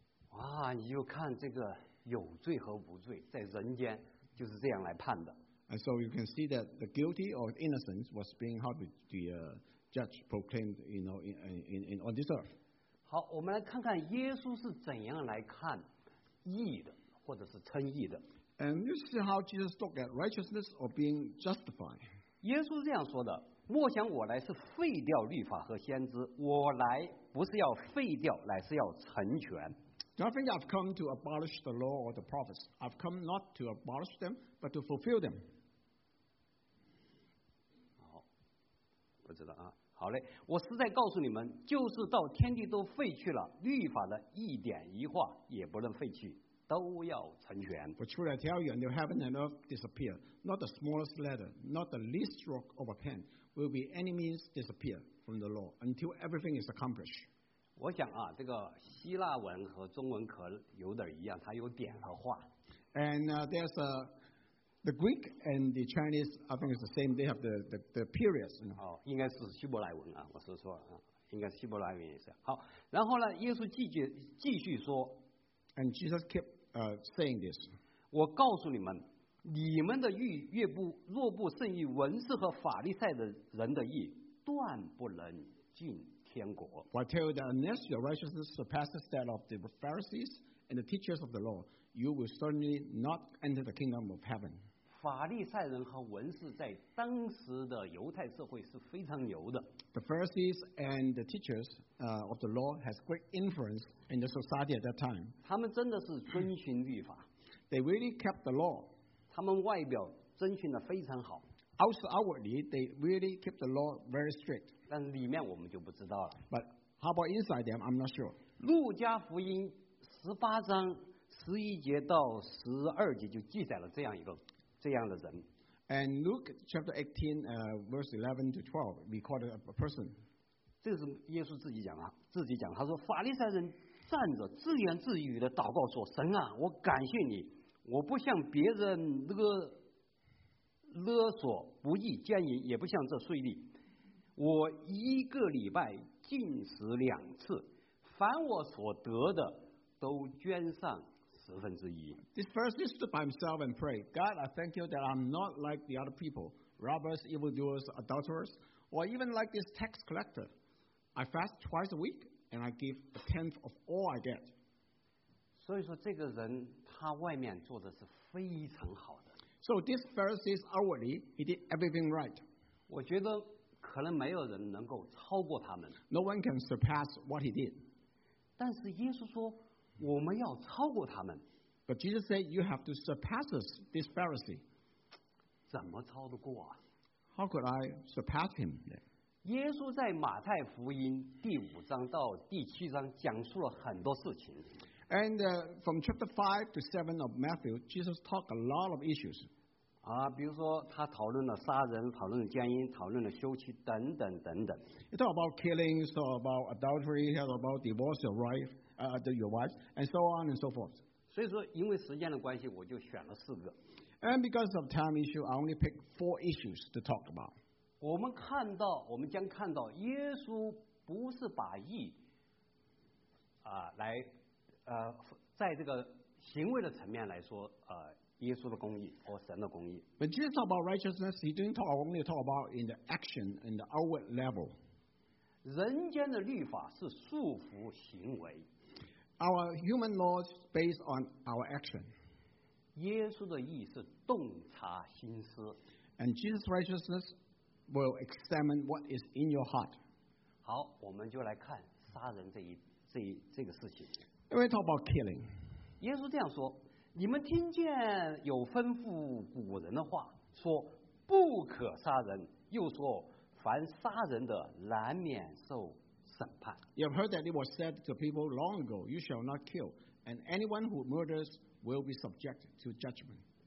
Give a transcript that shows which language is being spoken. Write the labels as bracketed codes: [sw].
[zh] 哇，你就看这个有罪和无罪在人间就是这样来判的。 [en] And so you can see that the guilty or innocence was being how the judge proclaimed, you know, in on this earth. [zh] 好，我们来看看耶稣是怎样来看义的，或者是称义的。 [en] And you see how Jesus looked at righteousness or being justified. [zh] 耶稣这样说的：莫想我来是废掉律法和先知，我来不是要废掉，乃是要成全。 [en] Don't think I've come to abolish the law or the prophets. I've come not to abolish them, but to fulfill them. [zh] 好，不知道啊。好嘞，我实在告诉你们，就是到天地都废去了，律法的一点一画也不能废去，都要成全。 [en] For truly I tell you, until heaven and earth disappear, not the smallest letter, not the least stroke of a pen, will by any means disappear from the law until everything is accomplished. [zh] 我想啊，这个希腊文和中文可有点一样，它有点和画。 [en] And there's a the Greek and the Chinese, I think it's the same. They have the periods. You know. [zh] 哦，应该是希伯来文啊，我说错了啊，应该是希伯来文也是。好，然后呢，耶稣继续说。 [en] And Jesus kept saying this. [zh] 我告诉你们，你们的义越不若不胜于文士和法利赛的人的义，断不能进天国。 [en] For I tell you that unless your righteousness surpasses that of the Pharisees and the teachers of the law, you will certainly not enter the kingdom of heaven. [zh] 法利赛人和文士在当时的犹太社会是非常牛的。 [en] The Pharisees and the teachers of the law has great influence in the society at that time. [zh] 他们真的是遵循律法。 [en] They really kept the law. [zh] 他们外表遵循的非常好。 [en] Outwardly, they really kept the law very strict. [zh] 但里面我们就不知道了。 [en] But how about inside them? I'm not sure. [zh] 路加福音18:11-12就记载了这样的人。 [en] And Luke chapter 18, verse 11-12 recorded a person. [zh] 这是耶稣自己讲，他说法利赛人站着自言自语的祷告说：“神啊，我感谢你，我不向别人勒索不义奸淫，也不向这税吏，我一个礼拜禁食两次，凡我所得的。” 都捐上十分之一。 [en] This person stood by himself and prayed, God, I thank you that I'm not like the other people, robbers, evildoers, adulterers, or even like this tax collector. I fast twice a week and I give a tenth of all I get. [zh] 所以说这个人他外面做的是非常好的。 [en] So this Pharisee outwardly, he did everything right. [zh] 我觉得可能没有人能够超过他们。 [en] No one can surpass what he did. [zh] 但是耶稣说我们要超过他们。 [en] But Jesus said, "You have to surpass us, this Pharisee." [zh] 怎么超得过啊 [en] ？How could I surpass him? [zh] 耶稣在马太福音5-7讲述了很多事情。 [en] And from chapter 5-7 of Matthew, Jesus talked a lot of issues. [zh] 啊，比如说他讨论了杀人，讨论了奸淫，讨论了休妻等等等等。 [en] He talked about killing, talked about adultery, talked about divorce your wife. Your wives, and so on and so forth. [zh] 所以说，因为时间的关系，我就选了四个。 [en] And because of time issue, I only picked 4 issues to talk about. [zh] 我们看到，我们将看到耶稣不是把义啊、来在这个行为的层面来说耶稣的公义或神的公义。 [en] But Jesus talk about righteousness, he didn't talk only talk about in the action and the outward level. [zh] 人间的律法是束缚行为。 [en] Our human laws based on our action. [zh] 耶稣的义是洞察心思。 [en] And Jesus' righteousness will examine what is in your heart. [zh] 好，我们就来看杀人这个事情。 [en] We talk about killing. [zh] 耶稣这样说。你们听见有吩咐古人的话，说不可杀人，又说凡杀人的难免受审判。 [en] You have heard that it was said to people long ago, "You shall not kill," and anyone who murders will be subject to judgment.